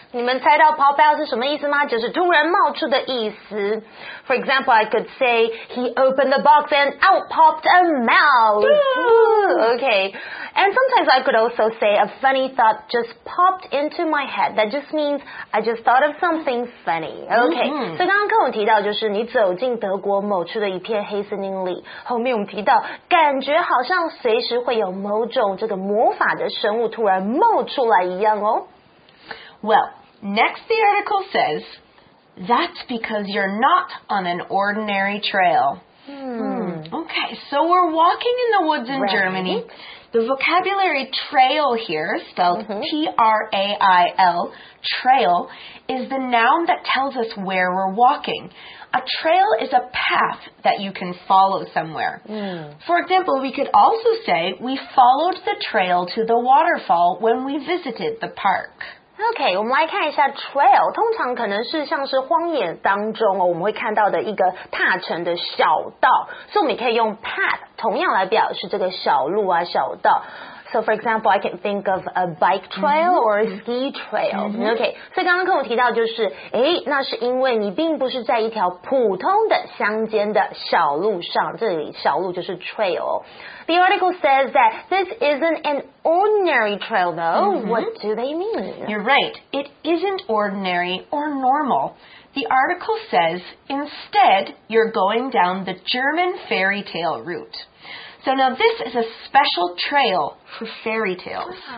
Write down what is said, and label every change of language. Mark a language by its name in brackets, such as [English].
[Chinese] 你们猜到 pop out是什么意思吗?就是突然冒出的意思。 [English] For example, I could say, he opened the box and out popped a mouse. Okay. And sometimes I could also say, a funny thought just popped into my head. That just means, I just thought of something funny. Okay. Mm-hmm. [Chinese] 所以刚刚课文提到就是你走进德国某处的一片黑森林里, 后面我们提到, 感觉好像随时会有某种这个魔法的生物突然冒出来一样哦。 [English] Well, next the article says, That's because you're not on an ordinary trail. Okay, so we're walking in the woods in Germany. The vocabulary trail here, spelled T-R-A-I-L, trail, is the noun that tells us where we're walking. A trail is a path that you can follow somewhere. For example, we could also say we followed the trail to the waterfall when we visited the park. [Chinese] OK, 我们来看一下 trail, 通常可能是像是荒野当中我们会看到的一个踏乘的小道。所以我们也可以用 path, 同样来表示这个小路啊小道。 [English] So for example, I can think of a bike trail or a ski trail. [Chinese] OK, 所以刚刚跟我提到就是那是因为你并不是在一条普通的乡间的小路上，这里小路就是 trail。 [English] The article says that this isn't an ordinary trail, though. What do they mean? You're right. It isn't ordinary or normal. The article says, instead, you're going down the German fairy tale route. So now this is a special trail for fairy tales.